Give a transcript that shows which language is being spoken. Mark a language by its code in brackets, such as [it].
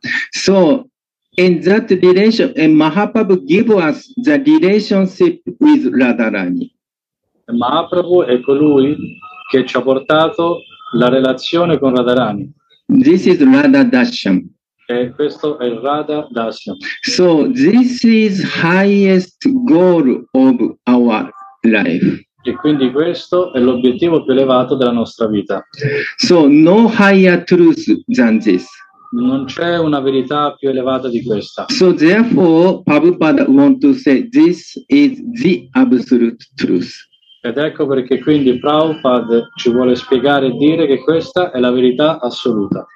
[en] So in that relation, and Mahaprabhu give us the relationship with Radharani. [it] Mahaprabhu è colui che ci ha portato la relazione con Radharani. [en] This is Radha Darshan. [it] E questo è il Radha Darshan. [en] So this is highest goal of our life. [it] E quindi questo è l'obiettivo più elevato della nostra vita. [en] So no higher truth than this. [it] Non c'è una verità più elevata di questa. [en] So therefore Prabhupada want to say this is the absolute truth. [it] Ed ecco perché quindi Prabhupada ci vuole spiegare e dire che questa è la verità assoluta.